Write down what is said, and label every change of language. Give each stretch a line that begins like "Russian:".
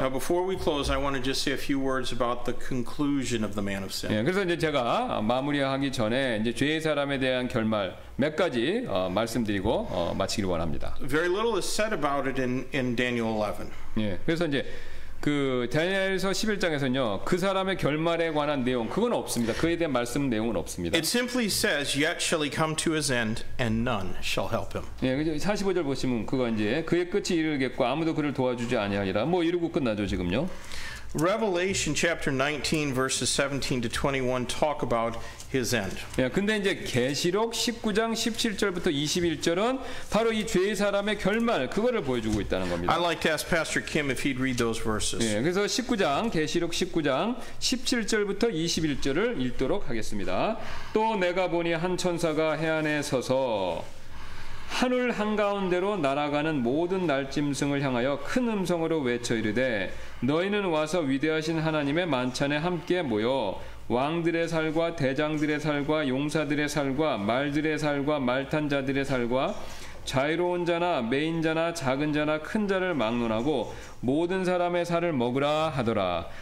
English: Now before we close, I want to just say a few words about the conclusion of the man of sin.
Korean: 예, 그래서 이제 제가 마무리하기 전에 이제 죄의 사람에 대한 결말 몇 가지 말씀드리고 마치기를 원합니다.
English: Very little is said about it in Daniel 11.
Korean: 예, 그래서 이제 그 다니엘서 11장에서는요. 그 사람의 결말에 관한 내용 그건 없습니다. 그에 대한 말씀 내용은 없습니다.
English: It simply says yet shall he come to his end and none shall help him.
Korean: 예, 45절 보시면 그거 이제 그의 끝이 이르겠고 아무도 그를 도와주지 아니하리라. 뭐 이러고 끝나죠, 지금요.
English: Revelation chapter 19 verses 17 to 21 talk about his end.
Korean: 예, 근데 이제 계시록 19장 17절부터 21절은 바로 이 죄의 사람의 결말 그거를 보여주고 있다는 겁니다.
English: I'd like to ask Pastor Kim if he'd read those verses.
Korean: 예, 그래서 19장 계시록 19장 17절부터 21절을 읽도록 하겠습니다. 또 내가 보니 한 천사가 해 안에 서서 하늘 한가운데로 날아가는 모든 날짐승을 향하여 큰 음성으로 외쳐 이르되 너희는 와서 위대하신 하나님의 만찬에 함께 모여 왕들의 살과 대장들의 살과 용사들의 살과 말들의 살과 말탄 자들의 살과 자유로운 자나 매인 자나 작은 자나 큰 자를 막론하고 모든 사람의 살을 먹으라 하더라.